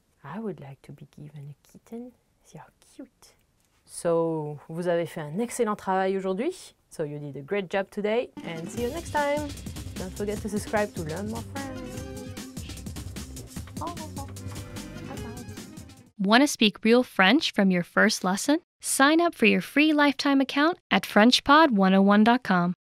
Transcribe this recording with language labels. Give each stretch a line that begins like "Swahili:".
English: I would like to be given a kitten. You're cute.
French: So, vous avez fait un excellent travail aujourd'hui.
English: So you did a great job today. And see you next time. Don't forget to subscribe to learn more French.
French: Au revoir.
English: Want to speak real French from your first lesson? Sign up for your free lifetime account at FrenchPod101.com.